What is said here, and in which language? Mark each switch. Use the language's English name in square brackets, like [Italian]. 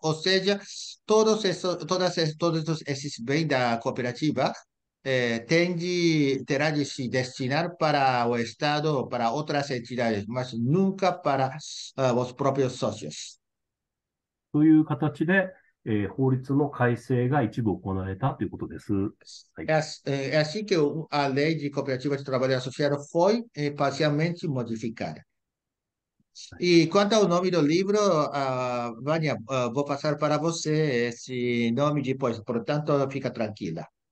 [Portuguese] Ou seja, todos esses bens da cooperativa terá de se destinar para o Estado, para outras entidades, mas nunca para os próprios sócios. [Japanese] という形で、法律の改正が一部行われたということです。 [Portuguese] É assim que a lei de cooperativas de trabalho associado foi parcialmente modificada. E quanto ao nome do livro, Vânia, vou passar para você esse nome depois, portanto, fica tranquila.